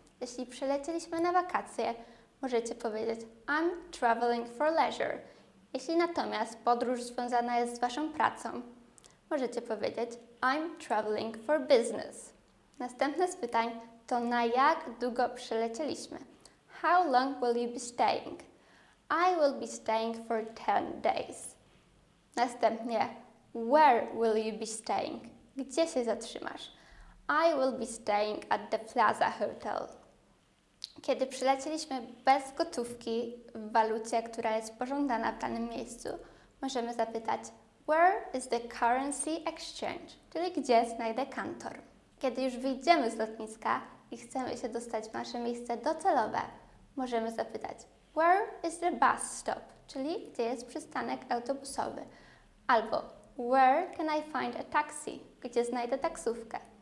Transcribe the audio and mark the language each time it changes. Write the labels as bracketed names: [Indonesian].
[Polish] Jeśli przelecieliśmy na wakacje, możecie powiedzieć [English] I'm traveling for leisure. [Polish] Jeśli natomiast podróż związana jest z Waszą pracą, możecie powiedzieć [English] I'm traveling for business. [Polish] Następne z pytań to na jak długo przylecieliśmy. [English] How long will you be staying? I will be staying for 10 days. [Polish] Następnie, [English] where will you be staying? [Polish] Gdzie się zatrzymasz? [English] I will be staying at the Plaza Hotel. [Polish] Kiedy przylecieliśmy bez gotówki w walucie, która jest pożądana w danym miejscu, możemy zapytać [English] where is the currency exchange, [Polish] czyli gdzie znajdę kantor. Kiedy już wyjdziemy z lotniska i chcemy się dostać w nasze miejsce docelowe, możemy zapytać [English] where is the bus stop, [Polish] czyli gdzie jest przystanek autobusowy, albo [English] where can I find a taxi, [Polish] gdzie znajdę taksówkę.